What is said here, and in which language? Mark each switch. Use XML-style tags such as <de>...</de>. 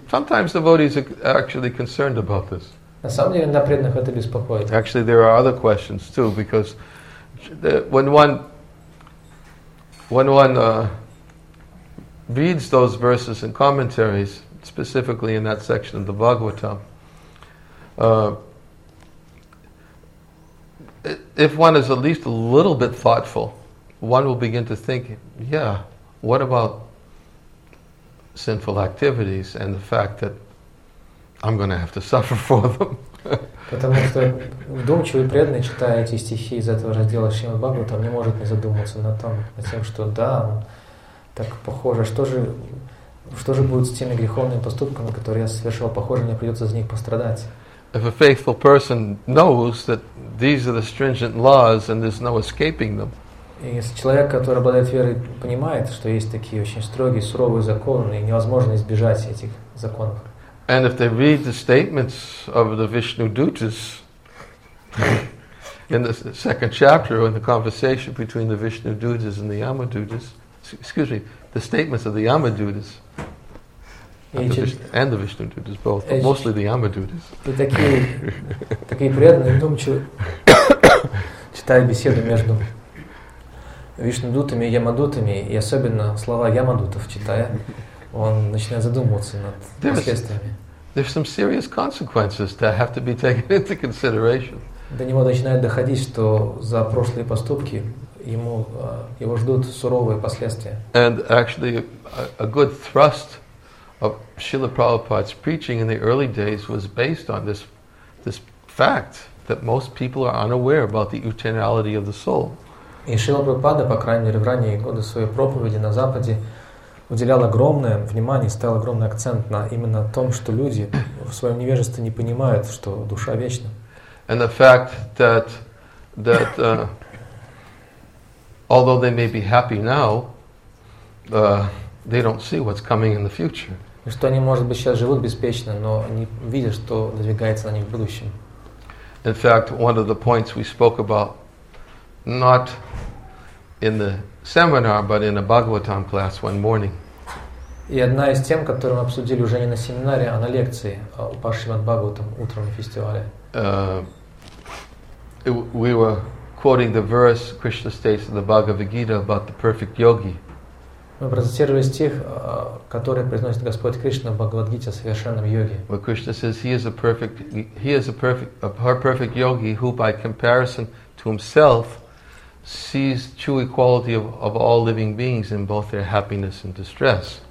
<en>Sometimes devotees are actually concerned about this. Actually, there are other questions too, because when one reads those verses and commentaries, specifically in that section of the Bhagavatam, if one is at least a little bit thoughtful, one will begin to think, yeah, what about sinful activities and the fact that I'm going to have to suffer for them?</en> <ru>Потому что вдумчивый преданный, читая эти стихи из этого раздела Шримад Бхагаватам, не может не задуматься над тем, что да, так похоже, что же будет с теми греховными поступками, которые я совершил, похоже, мне придется за них пострадать.</ru> <en>If a faithful person knows that these are the stringent laws and there's no escaping them.</en> <ru>Если человек, который обладает верой, понимает, что есть такие очень строгие, суровые законы, и невозможно избежать этих законов.</ru> <en>And if they read the statements of the Vishnu Dutas in the second chapter, in the conversation between the Vishnu Dutas and the Yama Dutas, excuse me, the statements of the Yama Dutas, and the Vishnu Dutas both, but mostly the Yama Dutas.</en> <ru>Такие преданные, думаю, читая беседы между Вишнудутами и Ямадутами, и особенно слова Ямадутов читая, он начинает задумываться над последствиями.</ru> <en>There's some serious consequences that have to be taken into consideration.</en> <ru>До него начинает доходить, что за прошлые поступки его ждут суровые последствия.</ru> <en>And actually, a good thrust of Srila Prabhupada's preaching in the early days was based on this fact that most people are unaware about the eternality of the soul.</en> <ru>И Шрила Прабхупада, по крайней мере, в ранние годы своей проповеди на Западе уделял огромное внимание, ставил огромный акцент на именно том, что люди в своем невежестве не понимают, что душа вечна.</ru> <en>And the fact that although they may be happy now, they don't see what's coming in the future.</en> <ru>И что они, может быть, сейчас живут беспечно, но не видят, что надвигается на них в будущем.</ru> <en>In fact, one of the points we spoke about not in the seminar, but in a Bhagavatam class one morning.</en> <ru>И одна из тем, которую мы обсудили уже не на семинаре, а на лекции по Шримад-Бхагаватам утром на фестивале.</ru> <en>We were quoting the verse Krishna states in the Bhagavad Gita about the perfect yogi.</en> <ru>Мы процитировали стих, который произносит Господь Кришна в Бхагавад-гите о совершенном йоге.</ru> <en>Where Krishna says he is a perfect yogi who by comparison to himself sees true equality of all living beings in both their happiness and distress.</en>